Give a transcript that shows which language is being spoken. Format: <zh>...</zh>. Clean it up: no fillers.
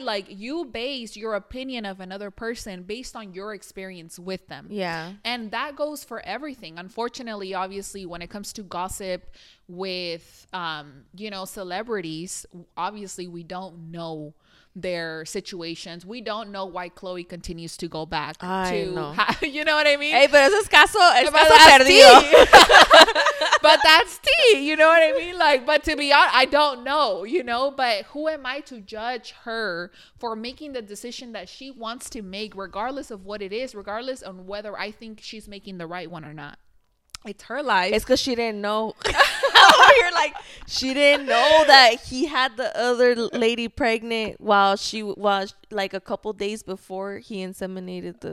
<en>Like, you base your opinion of another person based on your experience with them. Yeah. And that goes for everything. Unfortunately, obviously, when it comes to gossip with, you know, celebrities, obviously, we don't know their situations. We don't know why Chloe continues to go back. I to know. You know what I mean?</en> <es>Hey, pero eso es caso, perdido.</es> <en>But that's tea. You know what I mean? Like, but to be honest, I don't know, you know, but who am I to judge her for making the decision that she wants to make, regardless of what it is, regardless on whether I think she's making the right one or not? It's her life. It's because she didn't know. You're like, she didn't know that he had the other lady pregnant while she was like a couple days before he inseminated inseminated</en>